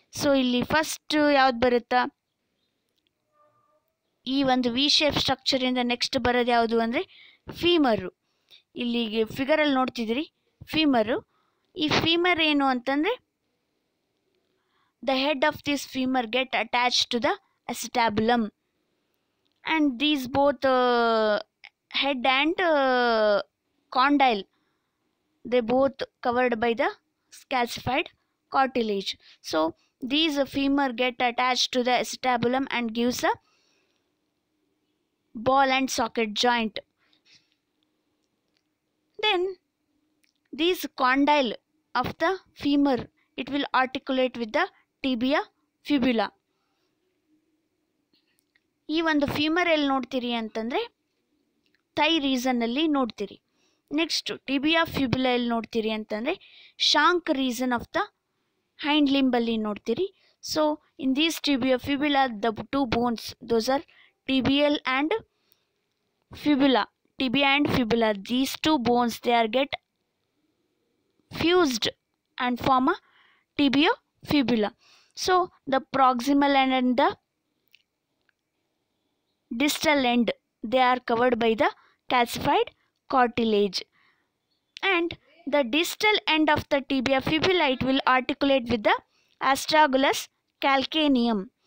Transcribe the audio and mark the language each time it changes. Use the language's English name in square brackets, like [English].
[Kannada] So ಇಲ್ಲಿ first ಯಾವ್ದು ಬರುತ್ತಾ, ಈ ಒಂದು ವಿ ಶೇಪ್ ಸ್ಟ್ರಕ್ಚರಿಂದ ನೆಕ್ಸ್ಟ್ ಬರೋದು ಯಾವುದು ಅಂದರೆ ಫೀಮರು. ಇಲ್ಲಿಗೆ ಫಿಗರಲ್ಲಿ ನೋಡ್ತಿದ್ದೀರಿ ಫೀಮರು. ಈ ಫೀಮರ್ ಏನು ಅಂತಂದರೆ [English] The head of this femur get attach to the acetabulum. And these both head and condyle, they both covered by the calcified cartilage. So these femur get attached to the acetabulum and gives a ball and socket joint. Then these condyle of the femur, it will articulate with the tibia fibula. [Kannada] ಈ ಒಂದು femur ಎಲ್ಲಿ ನೋಡ್ತೀರಿ ಅಂತಂದರೆ Thi ರೀಸನಲ್ಲಿ ನೋಡ್ತೀರಿ. Next tibia ಫ್ಯುಬುಲಾ ಎಲ್ಲಿ ನೋಡ್ತೀರಿ ಅಂತಂದರೆ [English] shank region of the hind [Kannada] ಲಿಂಬಲ್ಲಿ ನೋಡ್ತೀರಿ. [English] So in these tibia fibula the two bones, those are tibial and fibula, tibia and fibula, these two bones they are get fused and form a tibiofibula. So the proximal and and the distal end, they are covered by the calcified cartilage, and the distal end of the tibia fibula it will articulate with the astragalus calcaneum.